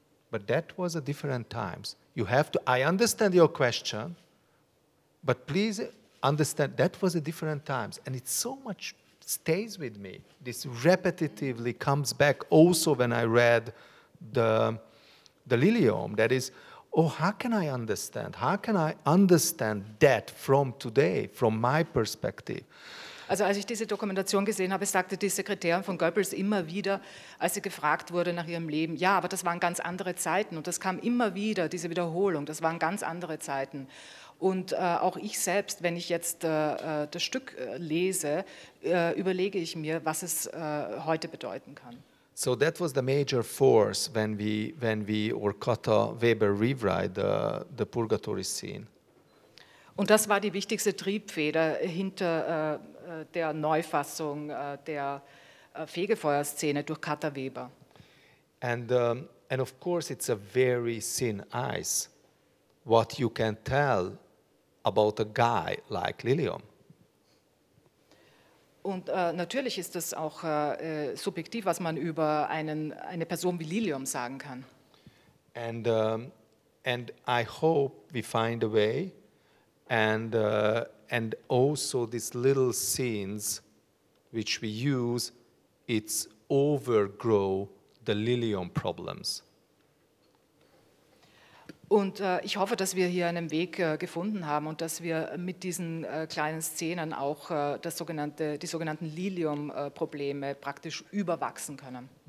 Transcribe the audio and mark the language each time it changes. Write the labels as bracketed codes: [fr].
[en] But that was a different times. I understand your question, but please understand that was a different times. And it so much stays with me. This repetitively comes back also when I read the Lilium, that is, oh, how can I understand? How can I understand that from today, from my perspective? [de] Also, als ich diese Dokumentation gesehen habe, sagte die Sekretärin von Goebbels immer wieder, als sie gefragt wurde nach ihrem Leben, ja, aber das waren ganz andere Zeiten. Und das kam immer wieder, diese Wiederholung, das waren ganz andere Zeiten. Und auch ich selbst, wenn ich jetzt das Stück lese, überlege ich mir, was es heute bedeuten kann. [en] So that was the major force when we Orkata Weber rewrite the Purgatory scene. [de] Und das war die wichtigste Triebfeder hinter der Neufassung der Fegefeuerszene durch Kata Weber. [en] And of course it's a very thin ice what you can tell about a guy like Lilium. [de] Und natürlich ist das auch subjektiv, was man über eine Person wie Lilium sagen kann. [en] And I hope we find a way and also these little scenes which we use, it's overgrow the Lilium problems. [de] Und ich hoffe, dass wir hier einen Weg gefunden haben und dass wir mit diesen kleinen Szenen auch die sogenannten Lilium-Probleme praktisch überwachsen können.